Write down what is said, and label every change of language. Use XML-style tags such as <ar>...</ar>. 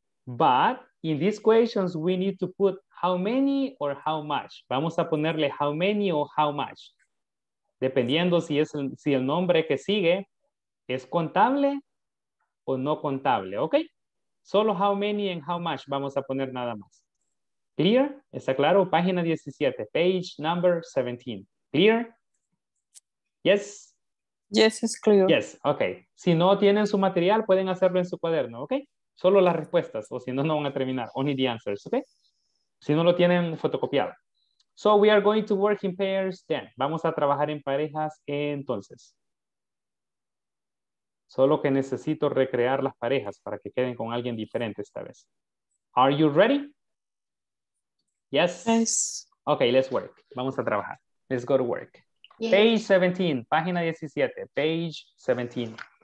<en>But in these questions, we need to put how many or how much.</en> <es>Vamos a ponerle</es> <en>how many</en> <es>o</es> <en>how much.</en> <es>Dependiendo si, es el, si el nombre que sigue es contable o no contable, okay? Solo</es> <en>how many and how much</en> <es>vamos a poner nada más.</es> <en>Clear?</en> <es>¿Está claro? Página 17,</es> <en>page number 17. Clear? Yes? Yes, it's clear. Yes, okay.</en> <es>Si no tienen su material, pueden hacerlo en su cuaderno, okay? Solo las respuestas, o si no, no van a terminar.</es> <en>Only the answers, okay?</en> <es>Si no lo tienen fotocopiado.</es> <en>So we are going to work in pairs then.</en> <es>Vamos a trabajar en parejas entonces. Solo que necesito recrear las parejas para que queden con alguien diferente esta vez.</es> <en>Are you ready? Yes. Yes. Okay, let's work.</en> <es>Vamos a trabajar.</es> <en>Let's go to work. Yes. Page 17,</en> <es>página 17,</es> <en>page 17.</en>